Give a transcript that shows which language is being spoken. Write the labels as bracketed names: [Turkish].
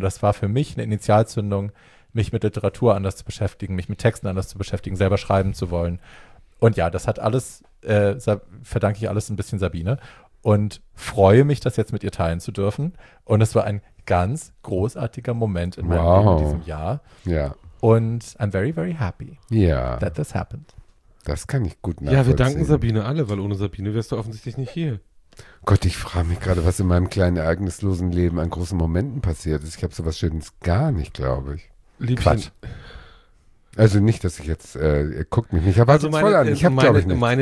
[German] Das war für mich eine Initialzündung, mich mit Literatur anders zu beschäftigen, mich mit Texten anders zu beschäftigen, selber schreiben zu wollen. Und ja, das hat alles, verdanke ich alles ein bisschen Sabine und freue mich, das jetzt mit ihr teilen zu dürfen. Und es war ein ganz großartiger Moment in meinem Leben in diesem Jahr. Ja. Und [English] I'm very, very happy that this happened. [German] Das kann ich gut nachvollziehen. Ja, wir danken Sabine alle, weil ohne Sabine wärst du offensichtlich nicht hier. Gott, ich frage mich gerade, was in meinem kleinen ereignislosen Leben an großen Momenten passiert ist. Ich habe sowas Schönes gar nicht, glaube ich. Liebchen. Quatsch. Also nicht, dass ich jetzt, ihr guckt mich nicht, aber also meine, voll an, ich habe glaube ich nicht.